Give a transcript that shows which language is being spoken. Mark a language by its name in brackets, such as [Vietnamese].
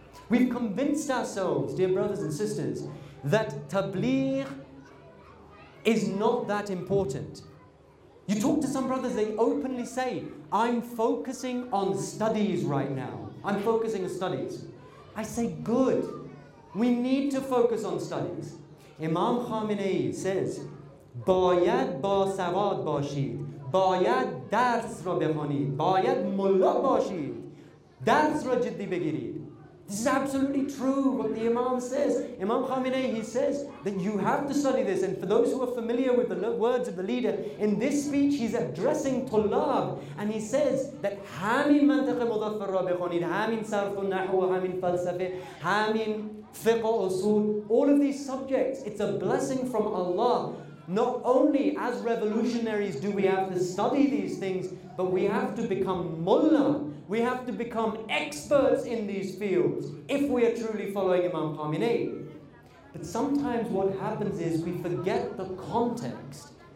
[English] We've convinced ourselves, dear brothers and sisters, that tabligh is not that important. You talk to some brothers, they openly say, I'm focusing on studies right now. I'm focusing on studies. I say, good. We need to focus on studies. Imam Khamenei says, [Persian] Bayad ba sawad bashid. باید درس را بخونید، باید ملا باشید، درس را جدی بگیرید. [English] This is absolutely true what the Imam says. Imam Khamenei, he says that you have to study this. And for those who are familiar with the words of the leader, in this speech he's addressing Tullab. And he says that [Persian] همین منطق مضفر را بخونید، همین صرف و نحو و همین فلسفه، همین فقه و اصول. [English] All of these subjects, it's a blessing from Allah. Not only as revolutionaries do we have to study these things, but we have to become mullah. We have to become experts in these fields if we are truly following Imam Khamenei. But sometimes what happens is we forget the context.